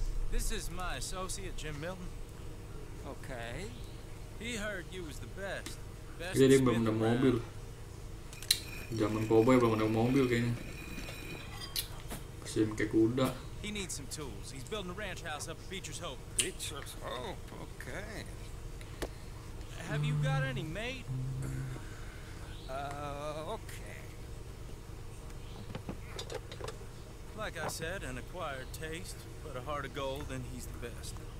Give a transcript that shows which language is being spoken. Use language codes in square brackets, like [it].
[en] This is my associate Jim Milton. Okay. He heard you was the best. [id] Jadi belum ada mobil. Zaman Cowboy belum ada mobil kayaknya. Masih pakai kuda. [en] He needs some tools. He's building a ranch house up at Beecher's Hope. Beecher's Hope. Okay. Have you got any mate? Okay. Like I said, an acquired taste, but a heart of gold, and he's the best.